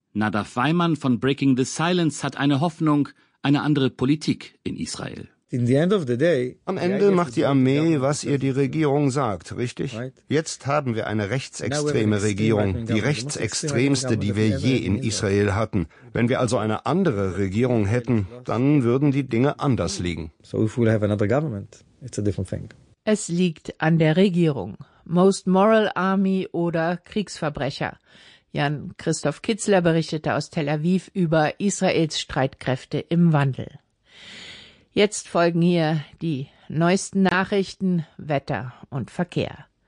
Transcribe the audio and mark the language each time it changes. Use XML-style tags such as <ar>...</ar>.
<de>Nadav Weimann von Breaking the Silence hat eine Hoffnung, eine andere Politik in Israel. Am Ende macht die Armee, was ihr die Regierung sagt, richtig? Jetzt haben wir eine rechtsextreme Regierung, die rechtsextremste, die wir je in Israel hatten. Wenn wir also eine andere Regierung hätten, dann würden die Dinge anders liegen.</de> <en>So if we have another government, it's a different thing.</en> <de>Es liegt an der Regierung.</de> <en>Most Moral Army</en> <de>oder Kriegsverbrecher. Jan-Christoph Kitzler berichtete aus Tel Aviv über Israels Streitkräfte im Wandel. Jetzt folgen hier die neuesten Nachrichten, Wetter und Verkehr.</de>